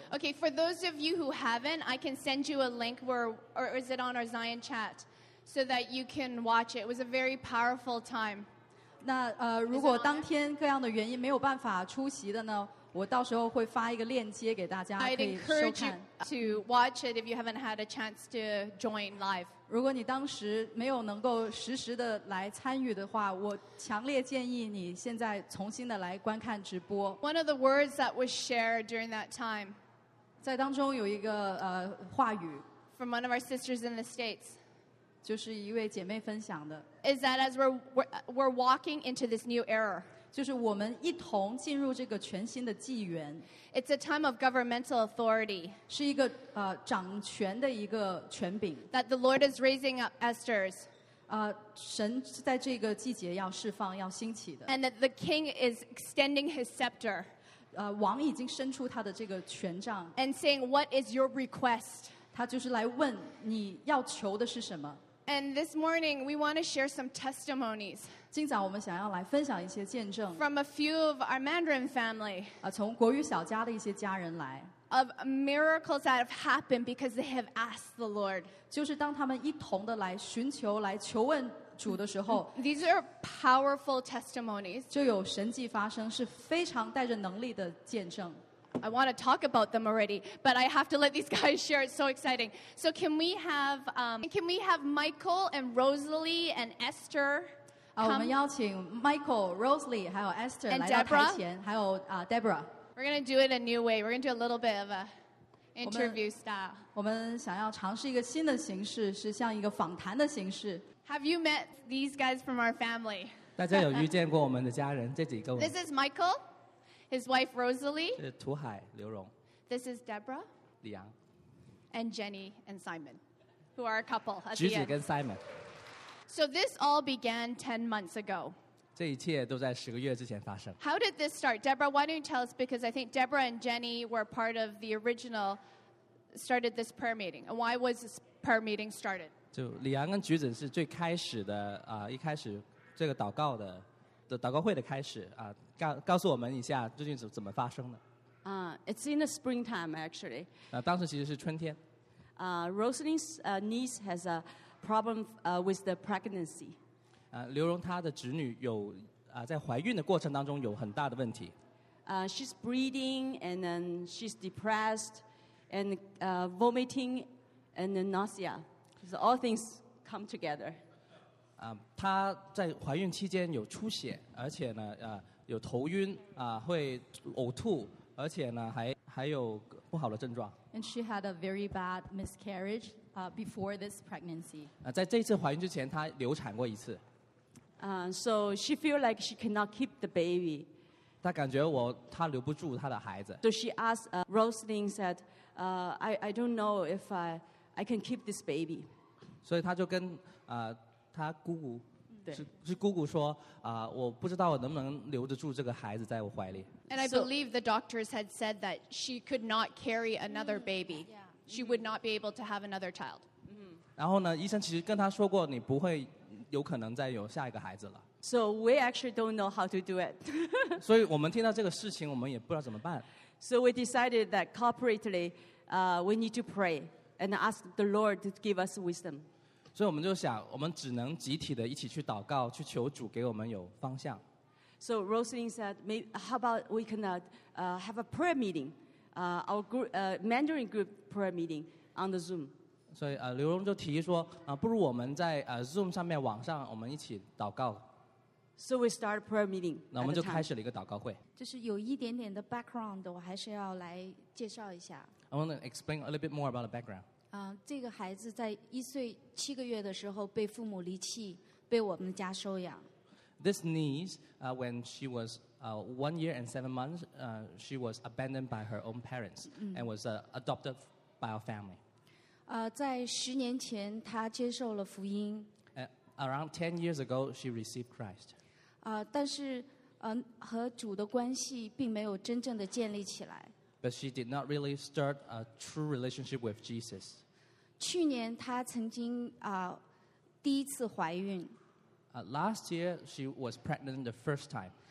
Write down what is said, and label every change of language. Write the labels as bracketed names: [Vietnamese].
[English] Okay, for those of you who haven't, I can send you a link, or is it on our Zion chat, so that you can watch it. It was a very powerful time. [Chinese] 那如果当天各样的原因没有办法出席的呢，我到时候会发一个链接给大家，可以收看。 [English] I'd encourage you to watch it if you haven't had a chance to join live. [Chinese] 如果你当时没有能够实时的来参与的话，我强烈建议你现在重新的来观看直播。 [English] One of the words that was shared during that time. [Chinese] 在当中有一个话语。 [English] From one of our sisters in the States. [Chinese] 就是一位姐妹分享的。 [English] Is that as we're walking into this new era. [Chinese] 就是我们一同进入这个全新的纪元。 [English] It's a time of governmental authority. [Chinese] 是一个掌权的一个权柄。 [English] That the Lord is raising up Esthers. [Chinese] 神在这个季节要释放，要兴起的。 [English] And that the king is extending his scepter. [Chinese] 王已经伸出他的这个权杖。 [English] And saying, what is your request? [Chinese] 他就是来问你要求的是什么。 [English] And this morning, we want to share some testimonies. [Chinese] 今早我们想要来分享一些见证。 [English] From a few of our Mandarin family. [Chinese] 从国语小家的一些家人来。 [English] Of miracles that have happened because they have asked the Lord. [Chinese] 就是当他们一同的来寻求、来求问主的时候。 [English] These are powerful testimonies. [Chinese] 就有神迹发生，是非常带着能力的见证。 [English] I want to talk about them already, but I have to let these guys share. It's so exciting. So can we have Michael and Rosalie and Esther? [Chinese] 我们邀请 Michael, Rosalie, 还有 Esther 来到台前，还有 Deborah. [English] We're going to do it a new way. We're going to do a little bit of a interview style. [Chinese] 我们想要尝试一个新的形式，是像一个访谈的形式。 [English] Have you met these guys from our family? [Chinese] 大家有遇见过我们的家人这几个？ [English] This is Michael. His wife Rosalie. [Chinese] 这是图海刘荣。 [English] This is Deborah. [Chinese] 李阳。 [English] And Jenny and Simon, who are a couple. [Chinese] 橘子跟 Simon. [English] So this all began 10 months ago. [Chinese] 这一切都在十个月之前发生。 [English] How did this start, Deborah? Why don't you tell us? Because I think Deborah and Jenny were part of the original started this prayer meeting. And why was this prayer meeting started? [Chinese] 就李阳跟橘子是最开始的一开始这个祷告的。祷告会的开始告诉我们一下究竟怎么发生的。 [English] It's in the springtime, actually. [Chinese] 当时其实是春天。 [English] Rosalie's niece has a problem with the pregnancy. [Chinese] 刘荣她的侄女有在怀孕的过程当中有很大的问题。 [English] She's bleeding and then she's depressed and vomiting and nausea. So all things come together. [Chinese] 她在怀孕期间有出血，而且呢，有头晕，会呕吐，而且呢，还有不好的症状。 [English] And she had a very bad miscarriage before this pregnancy. [Chinese] 在这次怀孕之前，她流产过一次。 [English] So she feel like she cannot keep the baby. [Chinese] 她感觉她留不住她的孩子。 [English] So she asked Rosalie said, I don't know if I can keep this baby. [Chinese] 所以她就跟他姑姑是姑姑说我不知道我能不能留得住这个孩子在我怀里。 [English] And I believe the doctors had said that she could not carry another baby. She would not be able to have another child. [Chinese] 然后呢，医生其实跟他说过，你不会有可能再有下一个孩子了。 [English] So we actually don't know how to do it. [Chinese] 所以我们听到这个事情，我们也不知道怎么办。 [English] So we decided that corporately, we need to pray and ask the Lord to give us wisdom. [Chinese] 所以我们就想，我们只能集体的一起去祷告，去求主给我们有方向。 [English] So Rosalie said, "How about we can have a prayer meeting, our group, Mandarin group prayer meeting on the Zoom?" [Chinese] 所以刘荣就提议说，不如我们在Zoom 上面网上我们一起祷告。 [English] So we start a prayer meeting. [Chinese] 那我们就开始了一个祷告会。就是有一点点的 background， 我还是要来介绍一下。 [English] I want to explain a little bit more about the background. [Chinese] 这个孩子在一岁七个月的时候被父母离弃，被我们家收养。 [English] This niece, when she was 1 year and 7 months, she was abandoned by her own parents and was adopted by our family. [Chinese] 在十年前，她接受了福音。 [English] Around 10 years ago, she received Christ. [Chinese] 但是和主的关系并没有真正的建立起来。 [English] But she did not really start a true relationship with Jesus. [Chinese] 去年她曾经第一次怀孕。 [English] Last year she was pregnant the first time.